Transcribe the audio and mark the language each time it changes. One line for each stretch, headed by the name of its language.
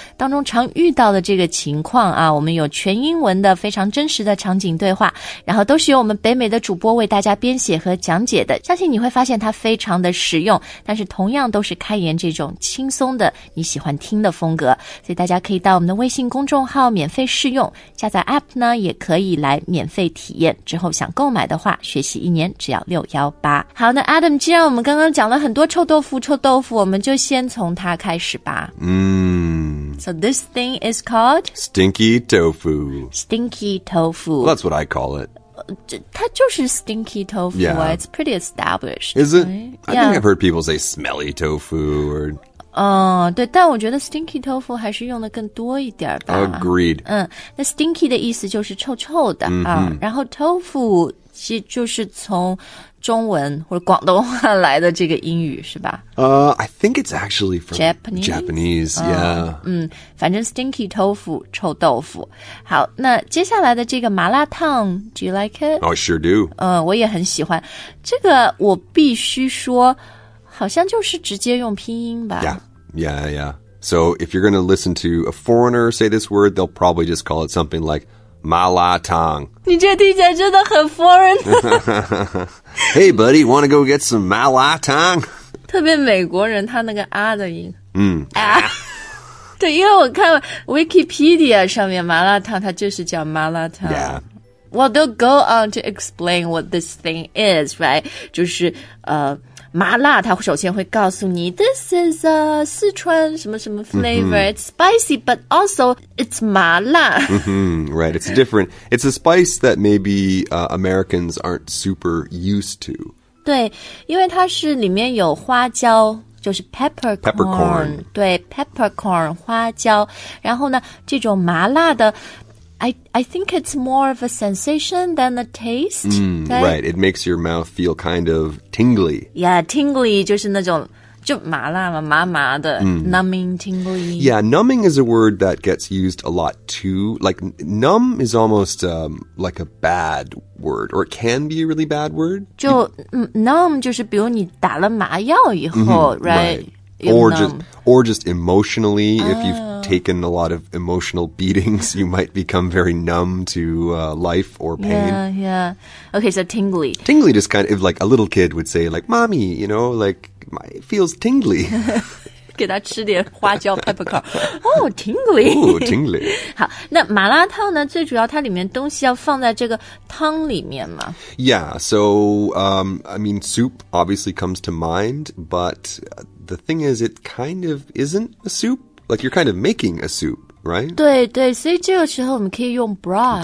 Chinese: 当中常遇到的这个情况啊我们有全英文的非常真实的场景对话然后都是由我们北美的主播为大家编写和讲解的相信你会发现它非常的实用但是同样都是开言这种轻松的你喜欢听的风格所以大家可以到我们的微信公众号免费试用下载 APP 呢也可以来免费体验之后想购买的话学习一年只要618好那 Adam 既然我们刚刚讲了很多臭豆腐我们就先从它开始吧嗯、mm.
English: So this thing is called Stinky tofu well, That's what I call it
Chinese: 它就是 stinky tofu、
English: yeah. It's pretty established Is it?、 Right? I、 yeah. think I've heard people say smelly tofu or...
Chinese: 对但我觉得 stinky tofu 还是用的更多一点吧
English: Agreed
Chinese: 那 stinky 的意思就是臭臭的、mm-hmm. 然后 tofu 其实就是从中文或者广东话来的这个英语是吧、
English: I think it's actually from Japanese、 yeah.
Chinese: 反正 stinky tofu 臭豆腐好那接下来的这个麻辣烫
English: Do you like it? I sure do、
Chinese: 我也很喜欢这个我必须说好像就是直接用拼音吧
English: Yeah. So if you're going to listen to a foreigner say this word, they'll probably just call it something like malatang.
Chinese: 你这听起来真的很 foreign.
English: Hey buddy, want to go get some malatang?
Chinese: 特别美国人他那个啊的音。嗯。啊。对因为我看 Wikipedia 上面麻辣烫它就是叫麻辣烫。
English: Yeah. Well, they'll go on to explain what this thing is, right?
Chinese: 就是麻辣它首先会告诉你
English: This is a
Chinese: 四川什么什么 flavor、mm-hmm.
English: It's spicy, but also it's 麻辣、 mm-hmm, Right, it's different It's a spice that maybe Americans aren't super used to
Chinese: 对因为它是里面有花椒就是 peppercorn 对 peppercorn 花椒然后呢这种麻辣的
English: I think it's more of a sensation than a taste. Right, it makes your mouth feel kind of tingly.
Chinese: Yeah, tingly 就是那种就麻辣嘛麻麻的、mm.
English: numbing tingly. Yeah, numbing is a word that gets used a lot too. Like numb is almost、like a bad word, or it can be a really bad word.
Chinese: 就 numb 就是比如你打了麻药以后、mm-hmm.
English: right? Or just emotionally,、oh. if you've taken a lot of emotional beatings, you might become very numb to、life or pain. Yeah, yeah. Okay, so tingly. Tingly just kind of like a little kid would say, like, mommy, you know, like, it feels tingly.
Chinese: 给他吃点花椒 peppercorn.
English: Oh, tingly. Oh, tingly.
Chinese: 好那麻辣烫呢最主要它里面东西要放在这个汤里面嘛。
English: Yeah, so, I mean, soup obviously comes to mind, but... The thing is, it kind of isn't a soup. Like, you're kind of making a soup, right?
Chinese: 对对所以这个时候我们可以用 broth.